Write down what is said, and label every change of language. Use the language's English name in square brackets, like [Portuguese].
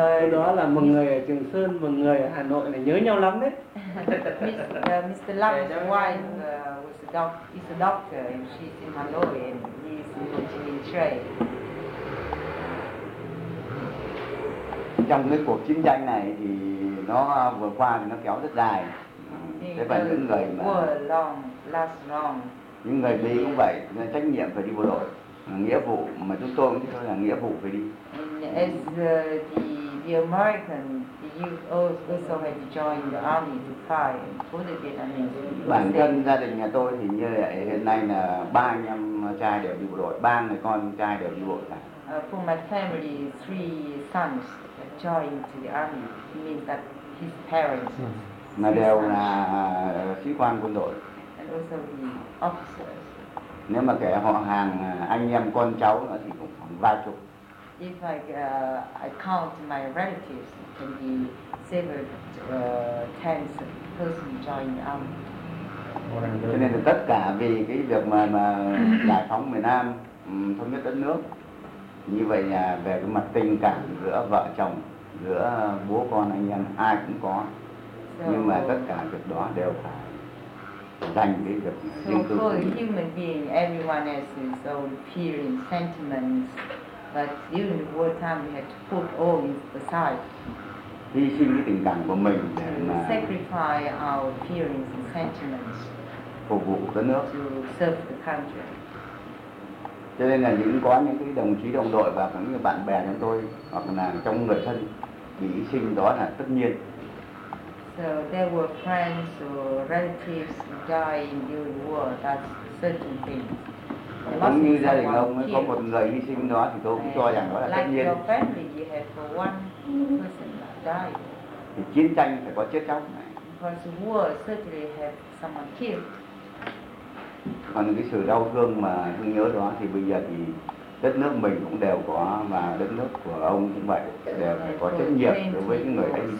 [Vietnamese] Đó là một người ở Trường Sơn, một người ở Hà Nội là nhớ nhau lắm đấy. [English] Mr. Lăng's wife was a doctor, is a doctor, and she's in Hà Nội and he's in engineering trade. [Vietnamese] Trong cái cuộc chiến tranh này thì nó vừa qua thì nó kéo rất dài. Thế và những người mà [English] long, last long. [Vietnamese] Những người đi cũng vậy, trách nhiệm phải đi bộ đội, nghĩa vụ mà chúng tôi cũng cho là nghĩa vụ phải đi. [English] As the American, the youth also had to join the army to fight for the Vietnamese. [Vietnamese] Bản thân gia đình nhà tôi thì như vậy, hiện nay là ba anh em trai đều đi bộ đội, ba người con trai đều đi bộ đội cả. [English] For my family, three sons joined to the army. It means that his parents. [Vietnamese] Mà đều là sĩ quan quân đội. [English] Also the officers. [Vietnamese] Nếu mà kể họ hàng anh em con cháu nữa thì cũng khoảng ba chục. [English] If I count my relatives, it can be several tens of persons joining the army. [Vietnamese] Cho nên là tất cả vì cái việc mà giải phóng miền Nam, thống nhất đất nước, như vậy là về cái mặt tình cảm giữa vợ chồng, giữa bố con anh em ai cũng có, nhưng mà tất cả việc đó đều phải. [English] So for a human being, everyone has his own feelings, sentiments, but during the wartime, we had to put all this aside. [Vietnamese] Hy sinh cái tình cảm của mình để mà [English] sacrifice our feelings and sentiments [Vietnamese] phục vụ đất nước, [English] to serve the country. [Vietnamese] Cho nên là những có những cái đồng chí đồng đội và cũng như bạn bè chúng tôi hoặc là trong người thân bị hy sinh đó là tất nhiên. [English] So there were friends or relatives dying during the war. That's certain things. [Vietnamese] Cũng như gia đình ông ấy có một người hy sinh đó thì tôi cũng cho rằng đó là tất nhiên. [English] Like your family, you have one person that died. [Vietnamese] Thì chiến tranh phải có chết chóc này. [English] first war certainly have someone killed. [Vietnamese] Còn cái sự đau thương mà thương nhớ đó thì bây giờ thì đất nước mình cũng đều có, và đất nước của ông cũng vậy, đều có trách nhiệm đối với những người anh